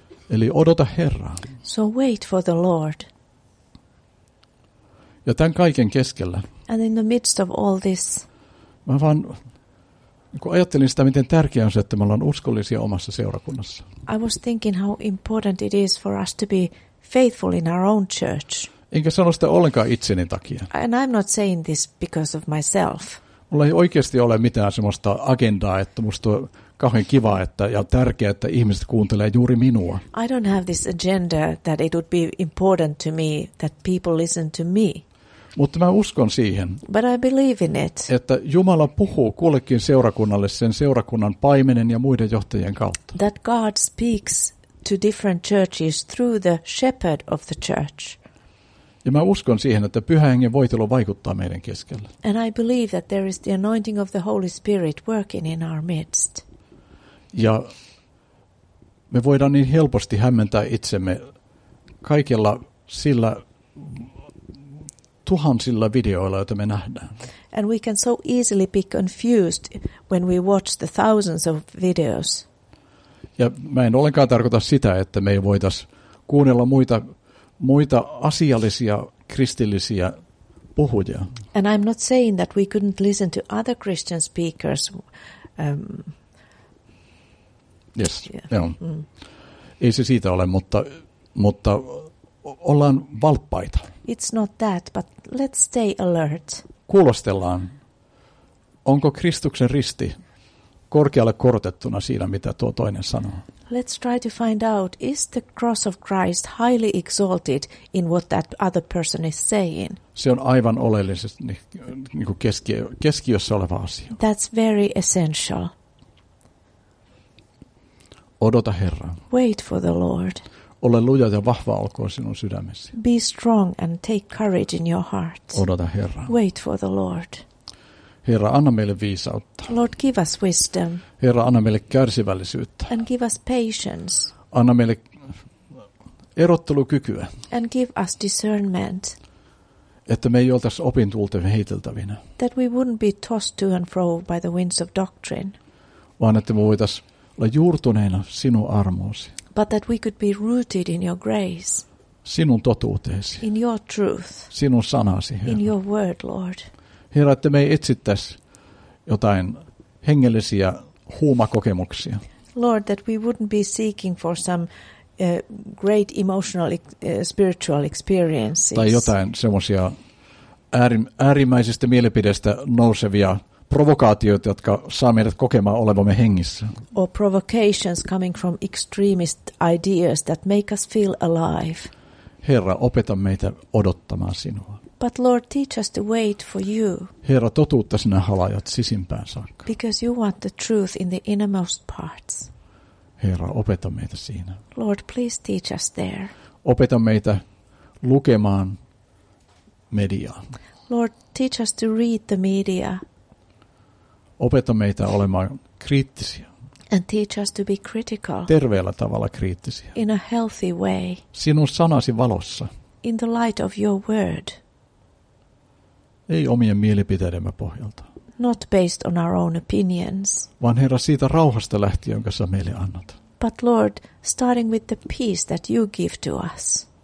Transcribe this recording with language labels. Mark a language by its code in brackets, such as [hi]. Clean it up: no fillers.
[fi] Eli odota Herraa. [en] So wait for the Lord. [fi] Ja tämän kaiken keskellä. [en] And in the midst of all this. [fi] Mä vaan kun ajattelin sitä, miten tärkeää on se, että me ollaan uskollisia omassa seurakunnassa. [en] I was thinking how important it is for us to be faithful in our own church. [fi] Enkä sano sitä ollenkaan itseni takia. [en] And I'm not saying this because of myself. [fi] Mulla ei oikeasti ole mitään semmoista agendaa, että musta on kauhean kiva että, ja tärkeää, että ihmiset kuuntelee juuri minua. [en] I don't have this agenda that it would be important to me that people listen to me. [fi] Mutta mä uskon siihen, [en] but I believe in it. [fi] Että Jumala puhuu kullekin seurakunnalle sen seurakunnan paimenen ja muiden johtajien kautta. [en] That God speaks to different churches through the shepherd of the church. [fi] Ja mä uskon siihen, että Pyhä Hengen voitelu vaikuttaa meidän keskellä. [en] And I believe that there is the anointing of the Holy Spirit working in our midst. [fi] Ja me voidaan niin helposti hämmentää itsemme kaikella sillä tuhansilla videoilla, joita me nähdään. [en] And we can so easily be confused when we watch the thousands of videos. [fi] Ja mä en ollenkaan tarkoita sitä, että me ei voitais kuunnella muita asiallisia kristillisiä puhujia. [en] And I'm not saying that we couldn't listen to other Christian speakers. Yes, yeah. [fi] Joo. Mm. Ei se siitä ole, mutta ollaan valppaita. [en] It's not that, but let's stay alert. [fi] Kuulostellaan, onko Kristuksen risti korkealle korotettuna siinä, mitä tuo toinen sanoo. [en] Let's try to find out, is the cross of Christ highly exalted in what that other person is saying? [fi] Se on aivan oleellisesti niin kuin keskiössä oleva asia. [en] That's very essential. [fi] Odota Herraa. [en] Wait for the Lord. [fi] Ole luja ja vahva olkoon sinun sydämessä. [en] Be strong and take courage in your heart. [fi] Odota Herraa. [en] Wait for the Lord. [fi] Herra, anna meille viisautta. [en] Lord, give us wisdom. [fi] Herra, anna meille kärsivällisyyttä. [en] And give us patience. [fi] Anna meille erottelukykyä. [en] And give us discernment. [fi] Että me ei oltaisi opintuulten heiteltävinä. [en] That we wouldn't be tossed to and fro by the winds of doctrine. [fi] Vaan että me voitaisiin olla juurtuneena sinun armoosi. [en] But that we could be rooted in your grace. [fi] Sinun totuuteesi. [en] In your truth. [fi] Sinun sanasi, Herra. [en] In your word, Lord. [fi] Herra, että me ei etsittäisi jotain hengellisiä huumakokemuksia. [en] Lord, that we wouldn't be seeking for some great emotional spiritual experiences. [fi] Tai jotain semmoisia äärimmäisistä mielipideistä nousevia provokaatioita, jotka saa meidät kokemaan olevamme hengissä. [en] Or provocations coming from extremist ideas that make us feel alive. [fi] Herra, opeta meitä odottamaan sinua. [en] But Lord, teach us to wait for you. [fi] Herra, totuutta sinä halajat sisimpään saakka. [en] Because you want the truth in the innermost parts. [fi] Herra, opeta meitä siinä. [en] Lord, please teach us there. [fi] Opeta meitä lukemaan mediaa. [en] Lord, teach us to read the media. [fi] Opeta meitä olemaan kriittisiä. [en] And teach us to be critical. [fi] Terveellä tavalla kriittisiä. [en] In a healthy way. [fi] Sinun sanasi valossa. [en] In the light of your word. [fi] Ei omien mielipiteidemme pohjalta. [en] Not based on our own opinions. [fi] Vaan Herra, siitä rauhasta lähtien, jonka sä meille annat. [en] But Lord, starting with the peace that you give to us.